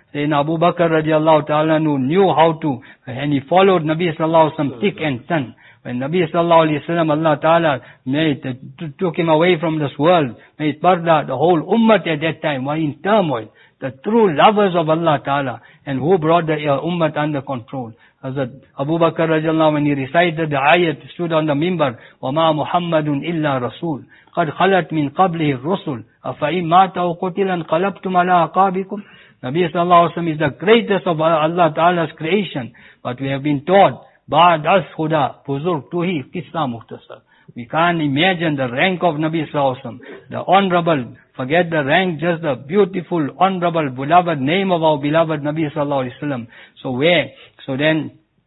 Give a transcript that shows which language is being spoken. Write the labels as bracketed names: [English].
[English] Sayyidina Abu Bakr radiallahu ta'ala knew how to, and he followed Nabi sallallahu alaihi wasallam thick and thin. When Nabi sallallahu alaihi wasallam, Allah ta'ala took him away from this world, made barda, the whole ummah at that time were in turmoil. The true lovers of Allah ta'ala, and who brought the ummah under control? Hazrat Abu Bakr radiallahu, when he recited the ayat, stood on the minbar, [Arabic] وَمَا مُحَمَّدٌ إِلَّا رَسُولٌ قَدْ خَلَتْ مِنْ قَبْلِهِ الرُّسُلُ أَفَإِنْ مَاتَ وَقُتِلَ انْقَلَبْتُمْ عَلَىٰ أَعْقَابِكُمْ. [English] Nabi sallallahu alaihi wasallam is the greatest of Allah ta'ala's creation, but we have been taught, [Persian] Ba'd as Huda, Puzur Tuhi, Kisra Muhtasar. [English] We can't imagine the rank of Nabi sallallahu alaihi wasallam, the honorable, forget the rank, just the beautiful, honorable, beloved name of our beloved Nabi sallallahu alaihi wasallam. So where? So then,